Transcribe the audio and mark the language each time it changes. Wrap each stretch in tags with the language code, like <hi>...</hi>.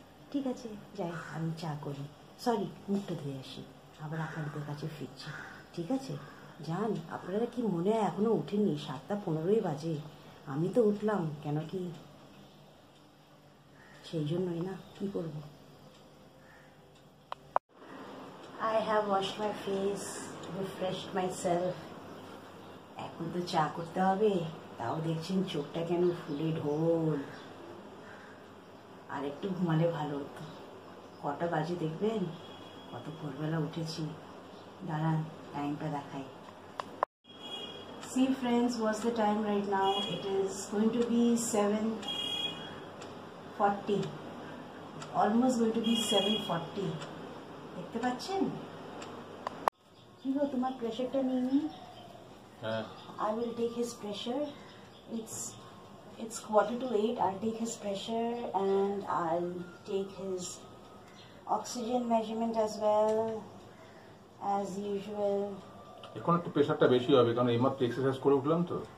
<bn>ঠিক আছে যাই, আমি চা করি, সরি মুখটা ধুয়ে আসি, আবার আপনাদের কাছে ফিরছি। ঠিক আছে যান, আপনারা কি মনে হয় এখনও উঠেনি, 7:15 বাজে, আমি তো উঠলাম, কেন কি সেই জন্যই না, কী করবো।</bn> <en>I have washed my face, refreshed myself.</en> <bn>এখন তো চা করতে হবে, তাও দেখছেন চোখটা কেন ফুলে ঢোল, আর একটু ঘুমালে ভালো হতো। কটা বাজে দেখবেন, কত ভোরবেলা উঠেছি, দাঁড়ান টাইমটা দেখাই।</bn> <en>See friends, what's the time right now? It is going to be 7:40. Almost going to be 7:40.</en> <bn>দেখতে পাচ্ছেন? কি গো তোমার প্রেশারটা নিয়ে নি। হ্যাঁ</bn> <en>I will take his pressure. It's 7:45. I'll take his pressure and I'll take his oxygen measurement as well as usual.</en> <bn>এখন একটু প্রেশারটা বেশি হবে, কারণ এইমাত্র এক্সারসাইজ করে উঠলাম তো।</bn>